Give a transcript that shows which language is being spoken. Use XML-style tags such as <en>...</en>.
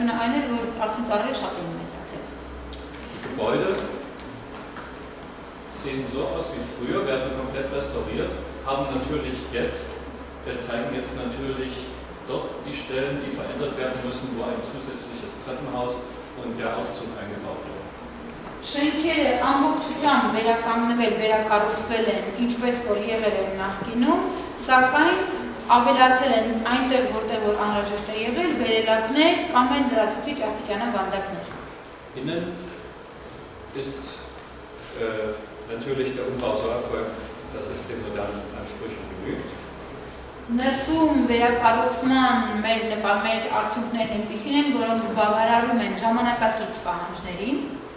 <de>Die Gebäude sehen so aus wie früher, werden komplett restauriert, haben natürlich jetzt, zeigen jetzt natürlich dort die Stellen, die verändert werden müssen, wo ein zusätzliches Treppenhaus und der Aufzug eingebaut wurden.</de> <hy>Շենքերը ամբողջությամբ վերականգնվել, վերակառուցվել են, ինչպես որ եղել են նախկինում, սակայն ավելացել են այնտեղ, որտեղ որ անհրաժեշտ է եղել, վերելակներ կամ այն լրացուցիչ աստիճանավանդակներ։</hy> <de>Innen ist natürlich der Umbau so erfolgt, dass es den modernen Ansprüchen genügt.</de> <hy>Ներսում վերակառուցման մեր նպամեր արդյունքներն այնպիսին են, որոնք բավարարում են ժամանակակից պահանջներին։</hy>